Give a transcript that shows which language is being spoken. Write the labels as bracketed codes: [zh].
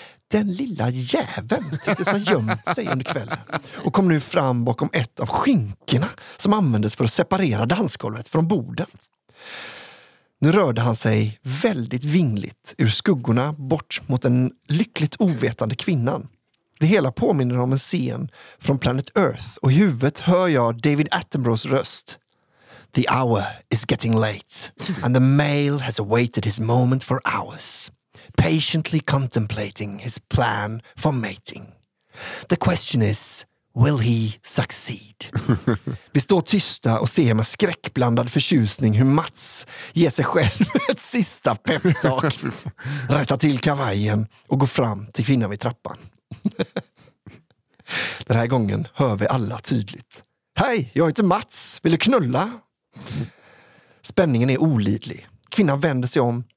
[sv] Den lilla jäveln tycktes ha gömt sig under kvällen och kom nu fram bakom ett av skinkorna som användes för att separera dansgolvet från borden. Nu rörde han sig väldigt vingligt ur skuggorna bort mot den lyckligt ovetande kvinnan. Det hela påminner om en scen från Planet Earth och i huvudet hör jag David Attenboroughs röst. [en] The hour is getting late and the male has awaited his moment for hours. Patiently contemplating his plan for mating. The question is, will he succeed? [sv] Vi står tysta och ser med skräckblandad förtjusning hur Mats ger sig själv ett sista pep-talk, rätta till kavajen och går fram till kvinnan vid trappan. Den här gången hör vi alla tydligt. Hej, jag heter Mats. Vill du knulla? Spänningen är olidlig. Kvinnan vänder sig om.